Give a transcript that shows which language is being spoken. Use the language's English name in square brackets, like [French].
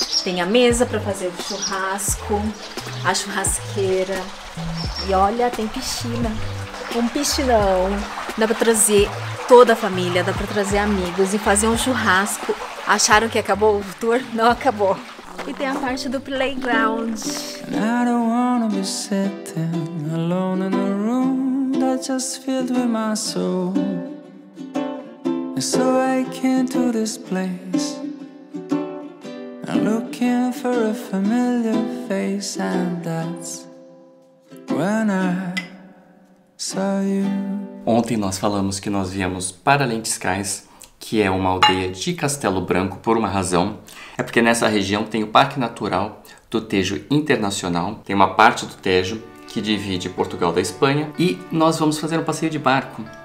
[Portuguese] Tem a mesa para fazer o churrasco, a churrasqueira. E olha, tem piscina. Um piscinão. Dá para trazer toda a família, dá para trazer amigos e fazer um churrasco. Acharam que acabou o tour? Não acabou. E tem a parte do playground. [English] I don't wanna be sitting alone in a room. I just filled with my soul. So I came to this place. I'm looking for a familiar face, and that's when I saw you. [Portuguese] Ontem nós falamos que nós viemos para Lentiscais, que é uma aldeia de Castelo Branco, por uma razão. É porque nessa região tem o Parque Natural do Tejo Internacional, tem uma parte do Tejo que divide Portugal da Espanha, e nós vamos fazer um passeio de barco.